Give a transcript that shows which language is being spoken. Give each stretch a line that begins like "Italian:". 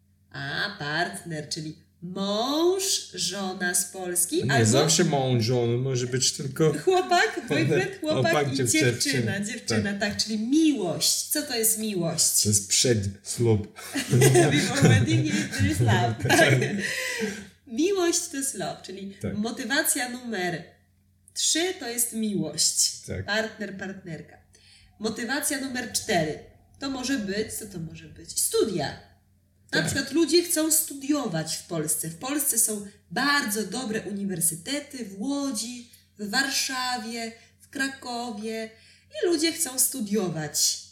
Polish: A, partner, czyli mąż, żona z Polski. Nie, albo... zawsze mąż, żona, może być tylko... Chłopak, boyfriend, chłopak i dziewczyna. Tak. Tak, czyli miłość. Co to jest miłość? To jest przed ślub.
English: Before wedding, there is love.
Polish: Tak. Miłość to jest love, czyli tak. Motywacja numer 3 to jest miłość. Tak. Partner, partnerka. Motywacja numer 4 to może być, co to może być? Studia. Na przykład ludzie chcą studiować w Polsce. W Polsce są bardzo dobre uniwersytety w Łodzi, w Warszawie, w Krakowie i ludzie chcą studiować.